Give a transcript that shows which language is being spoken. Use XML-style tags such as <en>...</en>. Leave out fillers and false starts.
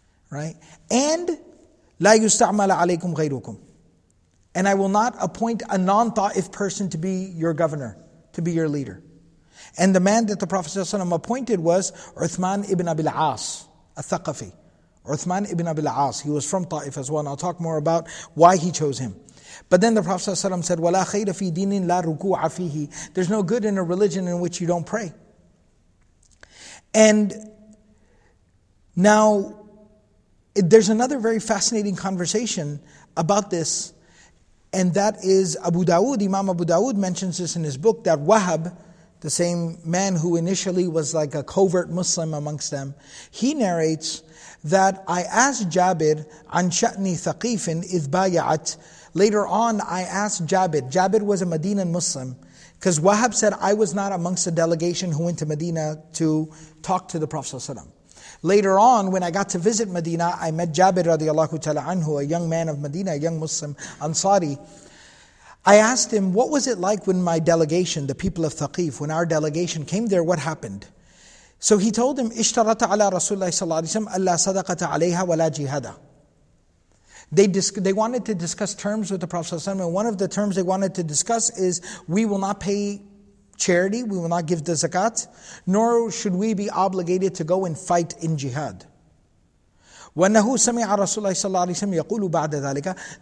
<en>Right?</en> <ar>And لَا يُسْتَعْمَلَ عَلَيْكُمْ غَيْرُكُمْ.</ar> <en>And I will not appoint a non-Ta'if person to be your governor, to be your leader. And the man that the Prophet ﷺ appointed was Uthman ibn Abil As, a Thaqafi. Uthman ibn Abi al-As. He was from Ta'if as well, and I'll talk more about why he chose him. But then the Prophet ﷺ said,</en> <ar>وَلَا خَيْرَ فِي دِينٍ لَا رُكُوعَ فِيهِ.</ar> <en>There's no good in a religion in which you don't pray. And now, there's another very fascinating conversation about this, and that is Abu Dawood. Imam Abu Dawood mentions this in his book, that Wahab, the same man who initially was like a covert Muslim amongst them, he narrates that I asked Jabir</en> <ar>عن شأن ثقيف إذ بايعت.</ar> <en>Later on, I asked Jabir. Jabir was a Medinan Muslim. Because Wahab said, I was not amongst the delegation who went to Medina to talk to the Prophet ﷺ. Later on, when I got to visit Medina, I met Jabir radiallahu ta'ala anhu, a young man of Medina, a young Muslim Ansari. I asked him, what was it like when my delegation, the people of Thaqif, when our delegation came there, what happened? So he told him,</en> <ar>اشترط على رسول الله صلى الله عليه وسلم ألا صدقة عليها ولا جهادا.</ar> <en>They wanted to discuss terms with the Prophet ﷺ, and one of the terms they wanted to discuss is, we will not pay charity, we will not give the zakat, nor should we be obligated to go and fight in jihad.</en> <ar>وَنَّهُ سَمِعَ رَسُولَ اللَّهِ صَلَّى اللَّهُ عَلَيْهِ وَسَلَّمَ يَقُولُ بَعْدَ ذَلِكَ.</ar>